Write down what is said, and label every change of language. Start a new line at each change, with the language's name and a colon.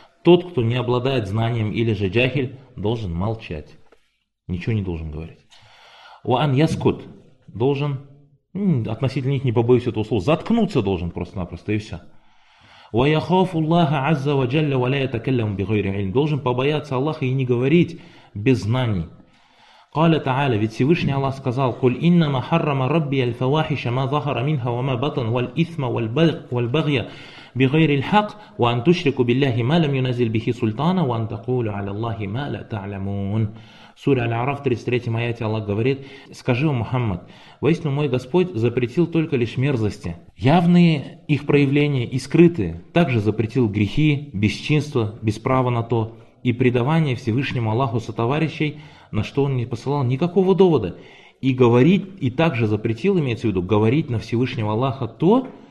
Russian: Тот, кто не обладает знанием или же джахиль, должен молчать. Ничего не должен говорить.
Arabic: وَأَنْ يَسْكُتْ.
Russian: Должен, относительно них не побоюсь этого слова, заткнуться должен просто-напросто и все.
Arabic: وَيَخَافُ اللَّهَ عَزَّ وَجَلَّ وَلَا يَتَكَلَّمُ بِغَيْرِ عِلْمٍ.
Russian: Должен побояться Аллаха и не говорить без знаний.
Arabic: قَالَ تَعَالَى.
Russian: Ведь Всевышний Аллах сказал,
Arabic: قُلْ إِنَّمَا حَرَّمَ رَبِّيَ الْفَوَاحِشَ مَا ظَهَرَ مِنْهَا وَمَا بَطَنْ وَالْإِثْمَ وَالْبَغْيَ بِغَيْرِ الْحَقِّ وَأَنْ تُشْرِكُ بِاللَّهِ مَا لَمْ يُنَزِلْ بِهِ سُلْطَانًا وَأَنْ تَقُولُ عَلَى اللَّهِ مَا لَا تَعْلَمُونَ.
Russian: Сура Аль-Араф, 33-й аяте, Аллах говорит, скажи, о Мухаммад, воистину мой Господь запретил только лишь мерзости. Явные их проявления и скрытые. Также запретил грехи, бесчинство, бесправо на то и предавание Всевышнему Аллаху сотоварищей, на что он не посылал никакого довода. И говорить, и также запретил, имеется в виду, говорить на Всевышнего Аллаха то,